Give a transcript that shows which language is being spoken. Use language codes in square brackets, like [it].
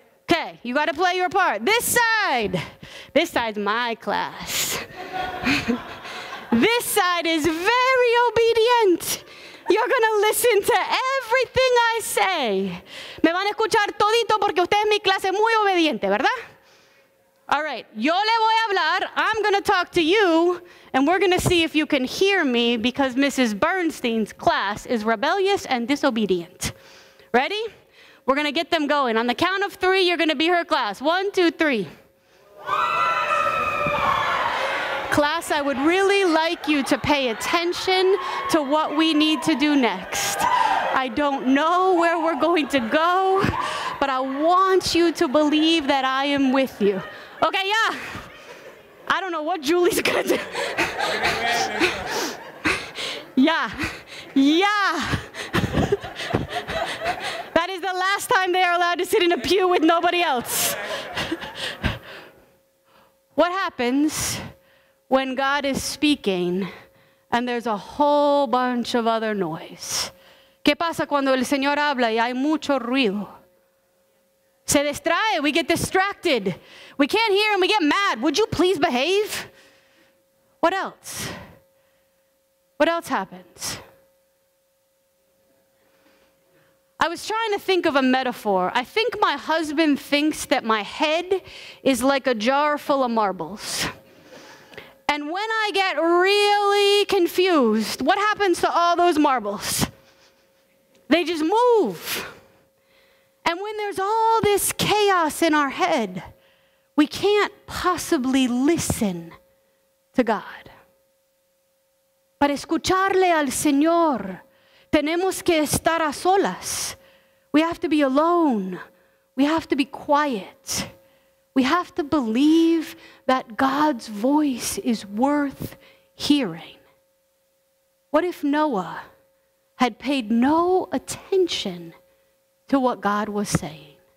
[en] Okay, you got to play your part. This side. This side's my class. This side is very obedient. You're going to listen to everything I say. [es] Me van a escuchar todito porque usted es mi clase muy obediente, ¿verdad? [en] All right, [es] yo le voy a hablar, [en] I'm going to talk to you, and we're going to see if you can hear me because Mrs. Bernstein's class is rebellious and disobedient. Ready? We're going to get them going. On the count of three, you're going to be her class. One, two, three. Class, I would really like you to pay attention to what we need to do next. I don't know where we're going to go, but I want you to believe that I am with you. Okay, yeah. I don't know what Julie's gonna do. Yeah. Yeah. That is the last time they are allowed to sit in a pew with nobody else. What happens when God is speaking and there's a whole bunch of other noise? [es] ¿Qué pasa cuando el Señor habla y hay mucho ruido? Se distrae, [en] we get distracted. We can't hear and we get mad. Would you please behave? What else? What else happens? I was trying to think of a metaphor. I think my husband thinks that my head is like a jar full of marbles. And when I get really confused, what happens to all those marbles? They just move. And when there's all this chaos in our head, we can't possibly listen to God. [es] Para escucharle al Señor, tenemos que estar a solas. [en] We have to be alone. We have to be quiet. We have to believe that God's voice is worth hearing. What if Noah had paid no attention to what God was saying?